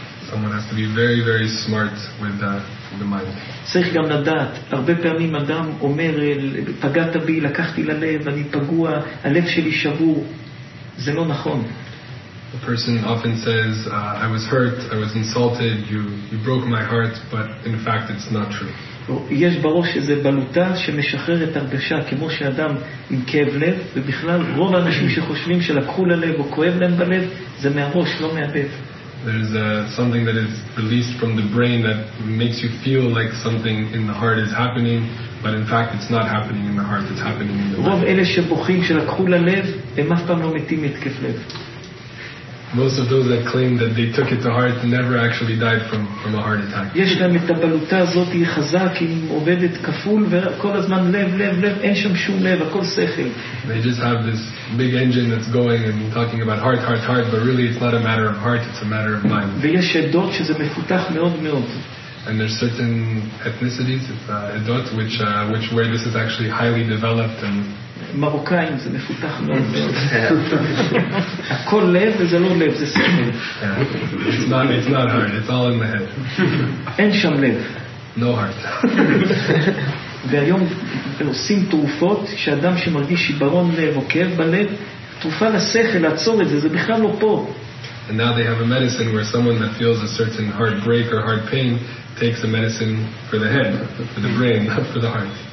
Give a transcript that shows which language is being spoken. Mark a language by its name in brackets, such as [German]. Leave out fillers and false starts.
[English] Someone has to be very, very smart with the mind. [Hebrew] צריך גם לדעת, הרבה פעמים אדם אומר, פגעת בי, לקחתי ללב, אני פגוע, הלב שלי שבור. זה לא נכון. [English] A person often says, I was hurt, I was insulted, you broke my heart, but in fact it's not true. [Hebrew] יש בראש איזה בלוטה שמשחררת הרגשה, כמו שאדם עם כאב לב, ובכלל רוב האנשים שחושבים שלקחו ללב או כואב להם בלב, זה מהראש, לא מהבב. [English] There's something that is released from the brain that makes you feel like something in the heart is happening, but in fact it's not happening in the heart, it's happening in the [Hebrew] brain. רוב אלה שבוכים שלקחו ללב, הם אף פעם לא מתים מהתקף לב. [English] Most of those that claim that they took it to heart never actually died from a heart attack. [Hebrew] יש להם את הבלוטה הזאת חזק, היא עובדת כפול, וכל הזמן לב, לב, לב, אין שם שום לב, הכל שכל. [English] They just have this big engine that's going and talking about heart, heart, heart, but really it's not a matter of heart, it's a matter of mind. [Hebrew] ויש עדות שזה מפותח מאוד מאוד. [English] And there's certain ethnicities, edot, which where this is actually highly developed and [Hebrew] מרוקאים זה מפותח מאוד. הכל לב וזה לא לב, זה שכל. [English] It's not heart, it's all in the head. [Hebrew] אין שם לב. [English] No heart. [Hebrew] והיום עושים תרופות שאדם שמרגיש עיברון לב או כאב בלב, תרופה לשכל, לעצור את זה, זה בכלל לא פה. [English] And now they have a medicine where someone that feels a certain heartbreak or heart pain takes a medicine for the head, for the brain, not for the heart.